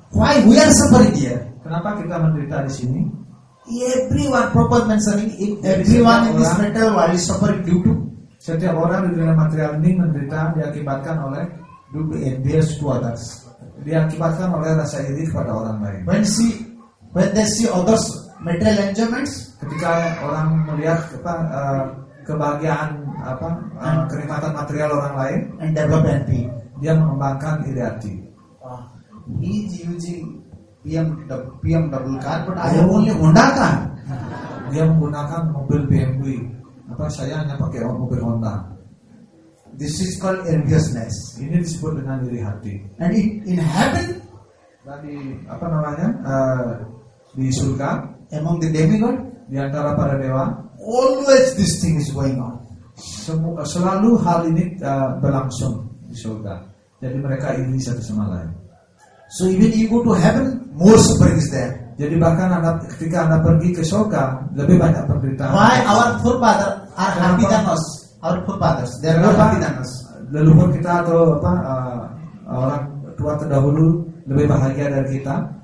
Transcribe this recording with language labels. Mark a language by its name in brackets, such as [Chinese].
[English] Why we are suffering here? [Indonesian] Kenapa kita menderita di sini? [English] Everyone, Prabhupada mentioning, everyone in this material world is suffering due to. [Indonesian] Setiap orang di dunia material ini menderita diakibatkan oleh [English] due to envious to others. [Indonesian] Diakibatkan oleh rasa iri kepada orang lain. [English] When they see others material enjoyments, [Indonesian] ketika orang melihat apa kebahagiaan apa kenikmatan material orang lain, [English] and develop envy, [Indonesian] dia mengembangkan iri hati. [English] He is using BMW double car, but I have only Honda car. [Indonesian] Dia menggunakan mobil BMW. Apa saya hanya pakai mobil Honda. [English] This is called enviousness. [Indonesian] Ini disebut dengan iri hati. [English] And it in heaven, [Indonesian] dari apa namanya di surga, [English] among the demigod, [Indonesian] di antara para dewa, [English] always this thing is going on. [Indonesian] Selalu hal ini berlangsung di surga. Jadi mereka iri satu sama lain. [English] So even you go to heaven, more suffering is there. [Indonesian] Jadi bahkan anda, ketika anda pergi ke surga, lebih banyak penderitaan. [English] Why our forefathers are happy than us? Our forefathers, they are not happy than us. [Indonesian] Leluhur kita atau apa orang tua terdahulu lebih bahagia dari kita?